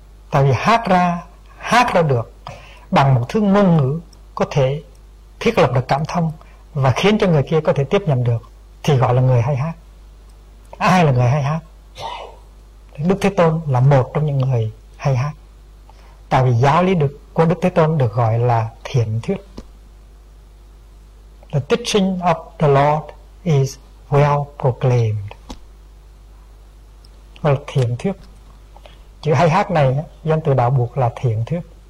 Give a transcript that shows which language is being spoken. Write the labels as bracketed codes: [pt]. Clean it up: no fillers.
[vi] Tại vì hát ra được bằng một thứ ngôn ngữ có thể thiết lập được cảm thông và khiến cho người kia có thể tiếp nhận được, thì gọi là người hay hát. Ai là người hay hát? Đức Thế Tôn là một trong những người hay hát. Tại vì giáo lý được của Đức Thế Tôn được gọi là thiện thuyết. [en] The teaching of the Lord is well proclaimed. [vi] Và thiện thuyết. Chữ hay hát này danh từ đạo buộc là thiện thuyết.